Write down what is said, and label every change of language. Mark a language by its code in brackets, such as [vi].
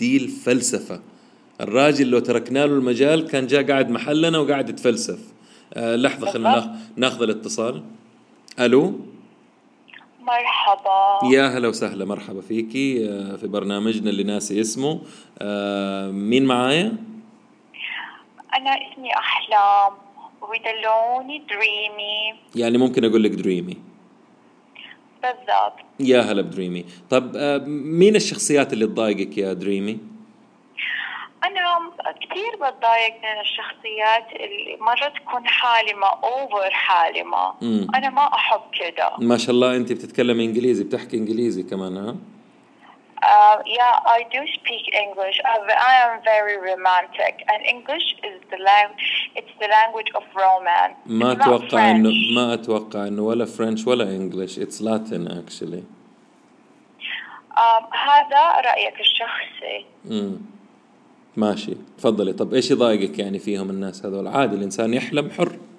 [ar] تحليل فلسفة. الراجل لو تركنا له المجال كان جاء قاعد محلنا وقاعد يتفلسف. لحظة خلنا ناخذ الاتصال. ألو. مرحبا. يا هلا وسهلا، مرحبا فيكي في برنامجنا اللي ناسي اسمه. مين معايا؟ أنا اسمي أحلام [en] with a lonely dreamy. [ar] يعني ممكن أقول لك dreamy. بالضبط. يا هلا بدريمي. طب مين الشخصيات اللي تضايقك يا دريمي؟ أنا كتير بتضايق من الشخصيات اللي مرة تكون حالمة، أوفر حالمة. أنا ما أحب كده. ما شاء الله أنت بتتكلم إنجليزي، بتحكي إنجليزي كمان ها؟ [en] Yeah, I do speak English. I am very romantic, and English is the language. It's the language of romance. [ar] ما أتوقع إنه ولا French ولا English. [en] It's Latin actually. [ar] هذا رأيك الشخصي. ماشي، تفضلي. طب إيش يضايقك يعني فيهم الناس هذول؟ عادي، الإنسان يحلم حر.